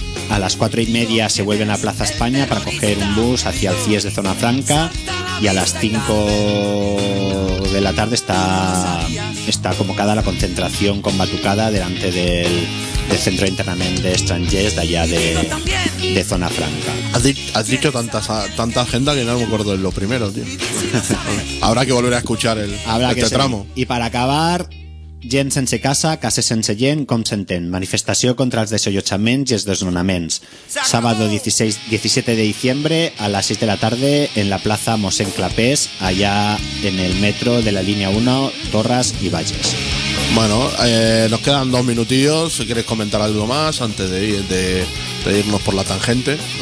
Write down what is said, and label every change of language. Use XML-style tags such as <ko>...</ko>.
<es>A las 4:30 se vuelven a Plaza España para coger un bus hacia el CIES de Zona Franca y a las 5 de la tarde está convocada la concentración con batucada delante del centro de internamiento de estrangers de allá de Zona Franca. Has dicho tanta agenda que no me acuerdo de lo primero, tío. Habrá que volver a escuchar tramo. Y para acabar,</es> <ca>gent sense casa, cases sense gent, com s'entén? Manifestació contra els desallotjaments i els desnonaments.</ca> <es>Sábado 17 de diciembre a las 6 de la tarde en la plaza Mossèn Clapés, allá en el metro de la línea 1, Torres y Valles. Bueno, nos quedan 2 minutillos. Si quieres comentar algo más antes de irnos por la tangente.</es>